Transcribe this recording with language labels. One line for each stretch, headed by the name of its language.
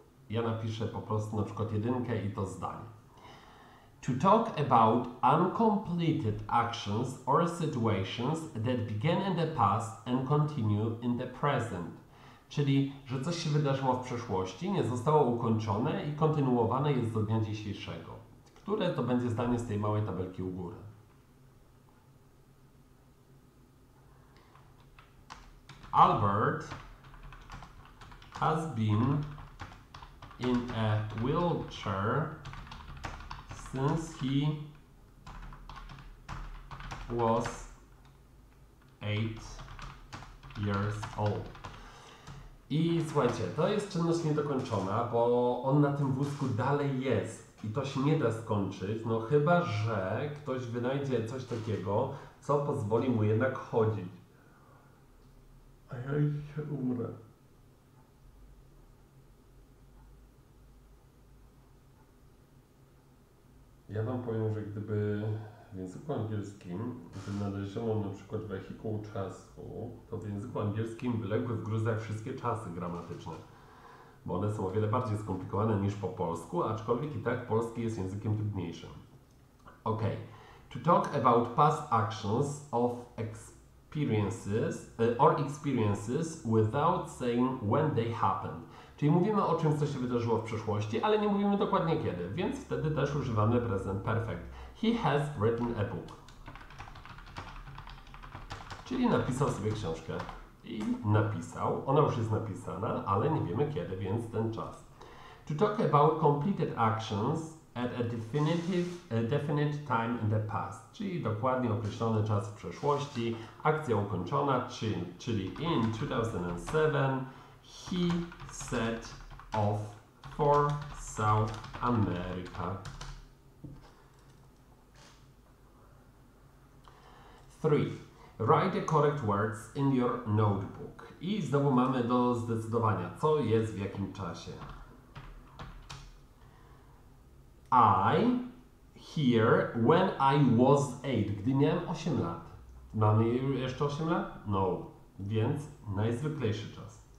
Polish: Ja napiszę po prostu na przykład jedynkę i to zdanie.
English: To talk about uncompleted actions or situations that began in the past and continue in the present.
Polish: Czyli, że coś się wydarzyło w przeszłości, nie zostało ukończone i kontynuowane jest do dnia dzisiejszego. Które to będzie zdanie z tej małej tabelki u góry?
English: Albert has been in a wheelchair since he was 8 years old.
Polish: I słuchajcie, to jest czynność niedokończona, bo on na tym wózku dalej jest i to się nie da skończyć, no chyba że ktoś wynajdzie coś takiego, co pozwoli mu jednak chodzić. A ja się umrę. Ja wam powiem, że gdyby w języku angielskim wynaleziono na przykład wehikuł czasu, to w języku angielskim wyległy w gruzach wszystkie czasy gramatyczne, bo one są o wiele bardziej skomplikowane niż po polsku, aczkolwiek i tak polski jest językiem trudniejszym. Ok.
English: To talk about past actions of experiences or experiences without saying when they happened.
Polish: Czyli mówimy o czymś, co się wydarzyło w przeszłości, ale nie mówimy dokładnie kiedy, więc wtedy też używamy present perfect.
English: He has written a book.
Polish: Czyli napisał sobie książkę. I napisał. Ona już jest napisana, ale nie wiemy kiedy, więc ten czas.
English: To talk about completed actions at a definite time in the past.
Polish: Czyli dokładnie określony czas w przeszłości. Akcja ukończona, czyli
English: in 2007. He set off for South America. Three. Write the correct words in your notebook.
Polish: I znowu mamy do zdecydowania, co jest w jakim czasie.
English: I here when I was 8.
Polish: Gdy miałem 8 lat. Mamy jeszcze 8 lat? No. Więc najzwyklejszy czas.